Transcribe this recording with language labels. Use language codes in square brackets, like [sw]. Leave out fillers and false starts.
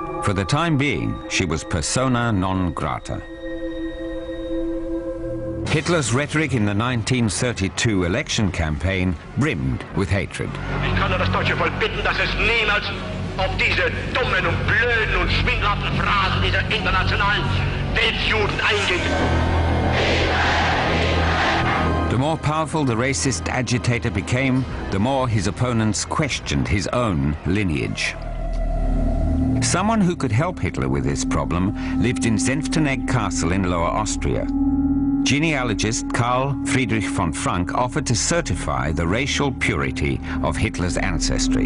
[en] For the time being, she was persona non grata. Hitler's rhetoric in the 1932 election campaign brimmed with hatred. [de] Ich kann das deutsche Volk bitten, dass es niemals auf diese dummen und blöden und schwindelhaften Phrasen dieser internationalen Weltjuden eingeht. [en] The more powerful the racist agitator became, the more his opponents questioned his own lineage. Someone who could help Hitler with this problem lived in Senftenegg Castle in Lower Austria. Genealogist Karl Friedrich von Frank offered to certify the racial purity of Hitler's ancestry.